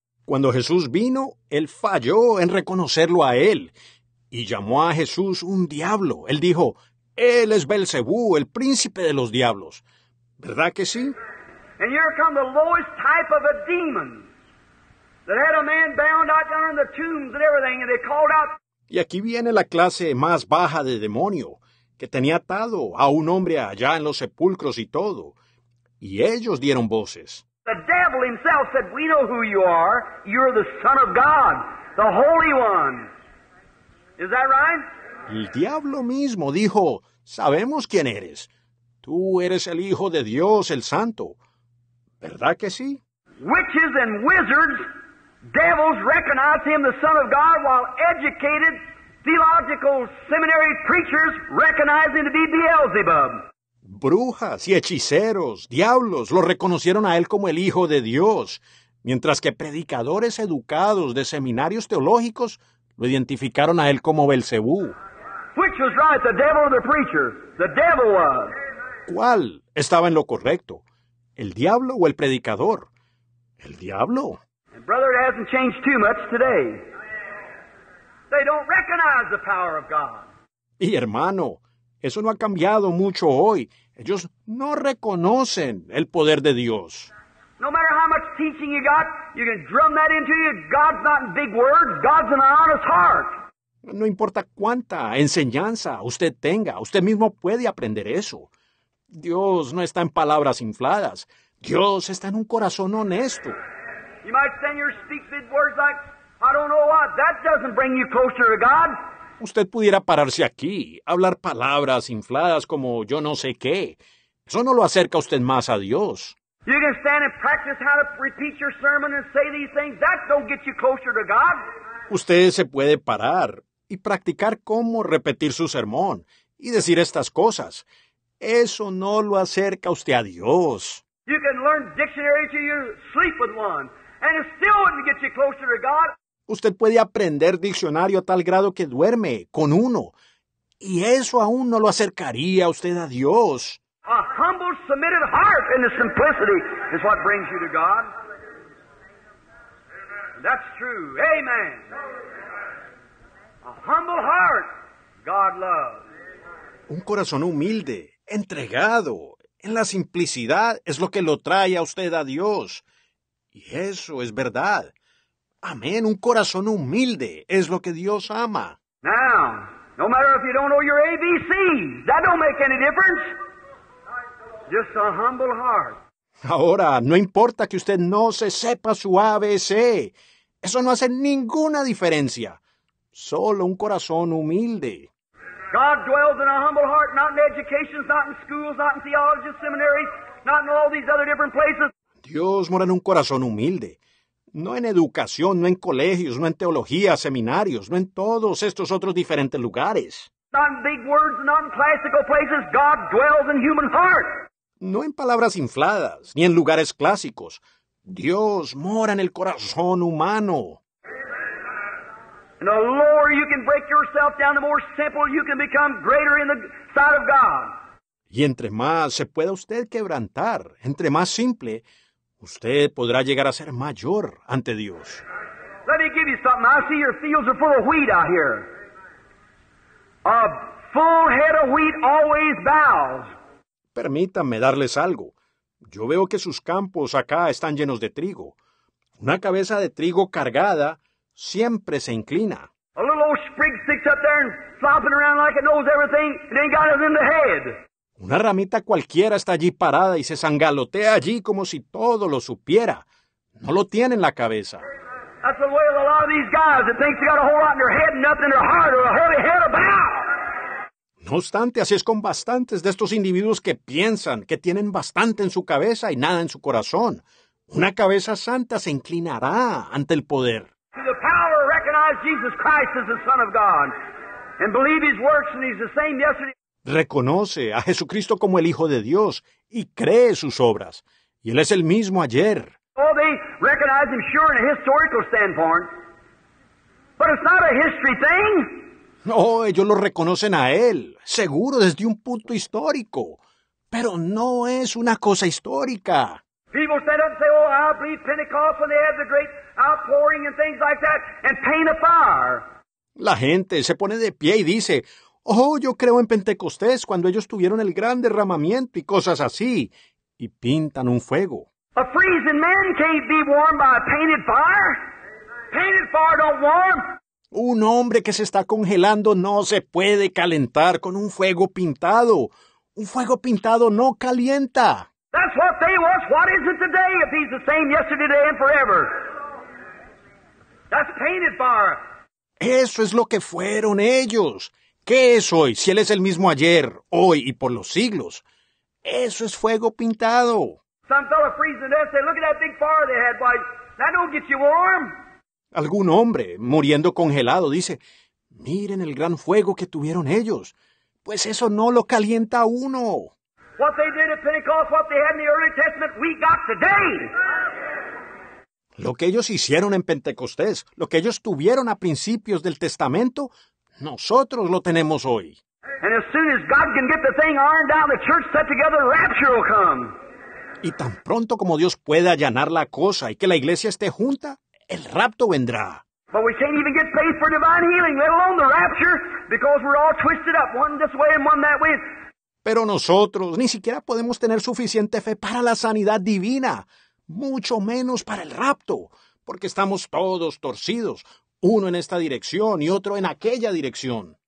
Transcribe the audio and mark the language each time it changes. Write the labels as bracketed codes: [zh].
[es] Cuando Jesús vino, él falló en reconocerlo a él y llamó a Jesús un diablo. Él dijo, él es Belcebú, el príncipe de los diablos. ¿Verdad que sí? [en] And here come the lowest type of a demon that had a man bound out down in the tombs and everything, and they called out. [es] Y aquí viene la clase más baja de demonio, que tenía atado a un hombre allá en los sepulcros y todo. Y ellos dieron voces. [en] The devil himself said, we know who you are. You're the Son of God, the Holy One. Is that right? [es] El diablo mismo dijo, sabemos quién eres. Tú eres el Hijo de Dios, el Santo. ¿Verdad que sí? [en] Witches and wizards, devils recognize him the Son of God, while educated theological seminary preachers recognize him to be Beelzebub. [es] Brujas y hechiceros, diablos, lo reconocieron a él como el Hijo de Dios, mientras que predicadores educados de seminarios teológicos lo identificaron a él como Belcebú. [en] Which was right, the devil or the preacher? The devil was. [es] ¿Cuál estaba en lo correcto? ¿El diablo o el predicador? El diablo. [en] And brother, it hasn't changed too much today. They don't recognize the power of God. [es] Y hermano, eso no ha cambiado mucho hoy. Ellos no reconocen el poder de Dios. [en] No matter how much teaching you got, you can drum that into you. God's not in big words. God's in an honest heart. [es] No importa cuánta enseñanza usted tenga, usted mismo puede aprender eso. Dios no está en palabras infladas. Dios está en un corazón honesto. [en] You might stand here and speak big words like, I don't know what. That doesn't bring you closer to God. [es] Usted pudiera pararse aquí, hablar palabras infladas como yo no sé qué. Eso no lo acerca usted más a Dios. [en] You can stand and practice how to repeat your sermon and say these things. That don't get you closer to God. [es] Usted se puede parar y practicar cómo repetir su sermón y decir estas cosas. Eso no lo acerca usted a Dios. [en] You can learn dictionary to you, sleep with one, and it still wouldn't get you closer to God. [es] Usted puede aprender diccionario a tal grado que duerme con uno, y eso aún no lo acercaría a usted a Dios. [en] A humble, submitted heart and the simplicity is what brings you to God. That's true. Amen. A humble heart, God loves. [es] Un corazón humilde, entregado, en la simplicidad es lo que lo trae a usted a Dios. Y eso es verdad. Amén. Un corazón humilde es lo que Dios ama. [en] Now, no matter if you don't know your ABC, that don't make any difference. Just a humble heart. [es] Ahora, no importa que usted no se sepa su ABC. Eso no hace ninguna diferencia. Solo un corazón humilde. [en] God dwells in a humble heart, not in educations, not in schools, not in theology, seminaries, not in all these other different places. [es] Dios mora en un corazón humilde. No en educación, no en colegios, no en teología, seminarios, no en todos estos otros diferentes lugares. [en] Not in big words, not in classical places. God dwells in human heart. [es] No en palabras infladas, ni en lugares clásicos. Dios mora en el corazón humano. [en] And the lower you can break yourself down, the more simple you can become greater in the sight of God. [es] Y entre más se pueda usted quebrantar, entre más simple, usted podrá llegar a ser mayor ante Dios. [en] Let me give you something. I see your fields are full of wheat out here. A full head of wheat always bows. [es] Permítanme darles algo. Yo veo que sus campos acá están llenos de trigo. Una cabeza de trigo cargada siempre se inclina. [en] A little old sprig sticks up there and flopping around like it knows everything. It ain't got it in the head. [es] Una ramita cualquiera está allí parada y se zangalotea allí como si todo lo supiera. No lo tiene en la cabeza. [en] That's the way of a lot of these guys that think they got a whole lot in their head and nothing in their heart or a heavy head about. [es] No obstante, así es con bastantes de estos individuos que piensan que tienen bastante en su cabeza y nada en su corazón. Una cabeza santa se inclinará ante el poder. [en] To the power, recognize Jesus Christ as the Son of God and believe his works, and he's the same yesterday. [es] Reconoce a Jesucristo como el Hijo de Dios y cree sus obras. Y Él es el mismo ayer. [en] Oh, they recognize him, sure, in a historical standpoint. But it's not a history thing. [es] Oh, ellos lo reconocen a Él, seguro, desde un punto histórico. Pero no es una cosa histórica. [en] People stand up and say, oh, I believe Pentecost when they had the great outpouring and things like that, and paint a fire. [es] La gente se pone de pie y dice, oh, yo creo en Pentecostés cuando ellos tuvieron el gran derramamiento y cosas así, y pintan un fuego. [en] A freezing man can't be warmed by a painted fire. Painted fire don't warm. [es] Un hombre que se está congelando no se puede calentar con un fuego pintado. Un fuego pintado no calienta. [en] That's what they was. What is it today if he's the same yesterday, today, and forever? That's painted fire. [es] Eso es lo que fueron ellos. ¿Qué es hoy si él es el mismo ayer, hoy y por los siglos? Eso es fuego pintado. [en] Some fellow freezing to death said, look at that big fire they had. Why, that don't get you warm. [es] Algún hombre, muriendo congelado, dice, miren el gran fuego que tuvieron ellos. Pues eso no lo calienta a uno. [en] What they did at Pentecost, what they had in the early testament, we got today. [es] Lo que ellos hicieron en Pentecostés, lo que ellos tuvieron a principios del testamento, nosotros lo tenemos hoy. [en] And as soon as God can get the thing ironed out, the church set together, rapture will come. [es] Y tan pronto como Dios pueda allanar la cosa y que la iglesia esté junta, el rapto vendrá. [en] But we can't even get faith for divine healing, let alone the rapture, because we're all twisted up, one this way and one that way. [es] Pero nosotros ni siquiera podemos tener suficiente fe para la sanidad divina, mucho menos para el rapto, porque estamos todos torcidos, uno en esta dirección y otro en aquella dirección.